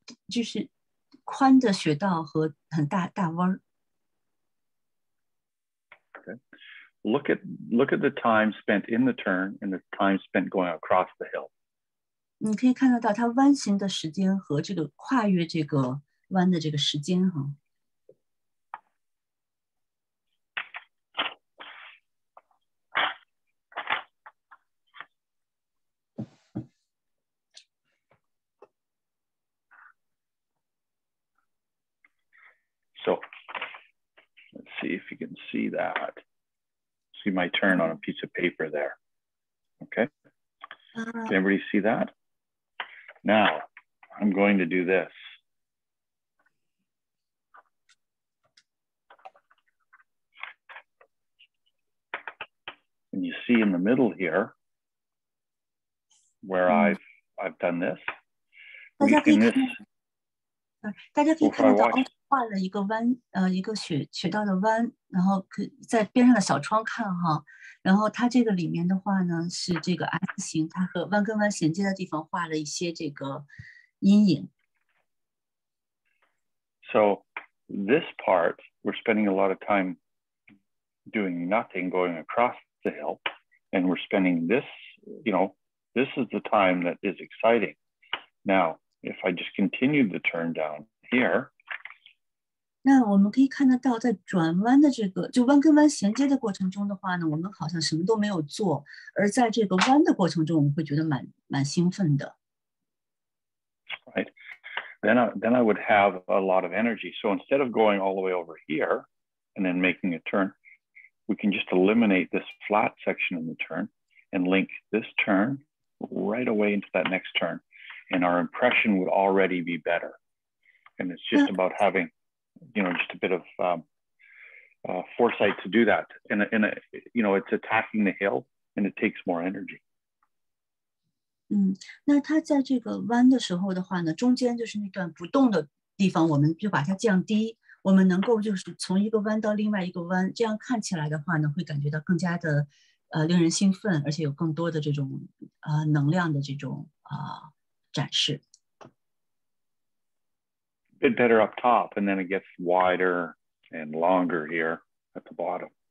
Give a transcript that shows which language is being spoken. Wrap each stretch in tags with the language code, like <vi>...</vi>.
<zh>就是宽的雪道和很大弯。</zh> <en>Look at the time spent in the turn and the time spent going across the hill.</en> <zh>你可以看得到它弯形的时间和这个跨越这个弯的这个时间哈。</zh> <en>So, let's see if you can see that. See my turn on a piece of paper there. Okay. Can everybody see that? Now, I'm going to do this. And you see in the middle here where I've done this.</en> <zh>大家可以看到，大家可以看到画了一个弯，一个雪道的弯，然后可在边上的小窗看哈，然后它这个里面的话呢是这个 S 型，它和弯跟弯衔接的地方画了一些这个阴影。</zh> <en>So this part we're spending a lot of time doing nothing, going across the hill, and we're spending this, you know, this is the time that is exciting. Now, if I just continue the turn down here.</en> <zh>那我们可以看得到在转弯的这个就弯跟弯衔接的过程中的话呢，我们好像什么都没有做，而在这个弯的过程中我们会觉得蛮兴奋的。</zh> <en>Right. Then I would have a lot of energy. So instead of going all the way over here and then making a turn, we can just eliminate this flat section in the turn and link this turn right away into that next turn. and our impression would already be better. And it's just about having, you know, just a bit of foresight to do that. And, you know, it's attacking the hill and it takes more energy.</en> <zh>嗯，那它在这个弯的时候的话呢，中间就是那段不动的地方，我们就把它降低，我们能够就是从一个弯到另外一个弯，这样看起来的话呢，会感觉到更加的，令人兴奋，而且有更多的这种，能量的这种，展示。</zh> <en>A bit better up top, and then it gets wider and longer here at the bottom.</en>